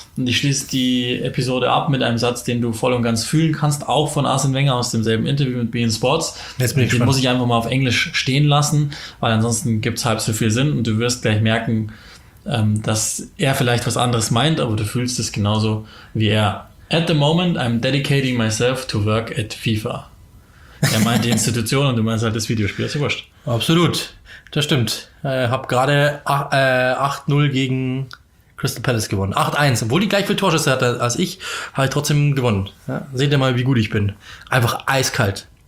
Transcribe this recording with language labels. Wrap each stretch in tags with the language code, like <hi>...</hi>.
<de>Und ich schließe die Episode ab mit einem Satz, den du voll und ganz fühlen kannst, auch von Arsene Wenger aus demselben Interview mit beIN Sports. Jetzt bin ich gespannt. Muss ich einfach mal auf Englisch stehen lassen, weil ansonsten gibt es halb so viel Sinn und du wirst gleich merken, dass er vielleicht was anderes meint, aber du fühlst es genauso wie er.</de> <en>At the moment, I'm dedicating myself to work at FIFA.</en> <de>Er meint die Institution und du meinst halt das Videospiel, ist ja wurscht. Absolut, das stimmt. Hab gerade 8-0 gegen Crystal Palace gewonnen. 8-1, obwohl die gleich viel Torschüsse hatte als ich, habe ich trotzdem gewonnen. Ja? Seht ihr mal, wie gut ich bin. Einfach eiskalt.</de>